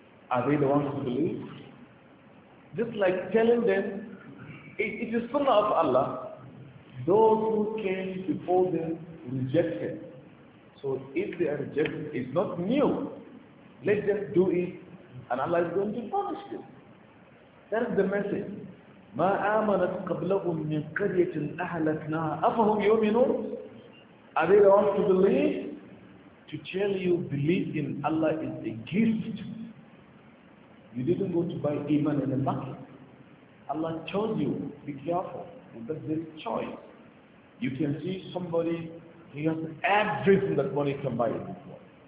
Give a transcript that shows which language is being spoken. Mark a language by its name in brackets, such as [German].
[English] Are they the ones who believe? Just like telling them, it is Sunnah of Allah, those who came before them rejected. So if they are rejected, it's not new. Let them do it, and Allah is going to punish them. That is the message. [Arabic] ما آمنت قبلهم من قرية أهلكناها أفهم يؤمنون. [English] Are they the ones to believe? To tell you, belief in Allah is a gift. You didn't go to buy iman in the market. Allah told you, be careful. And that's this choice. You can see somebody, he has everything that money can buy it before.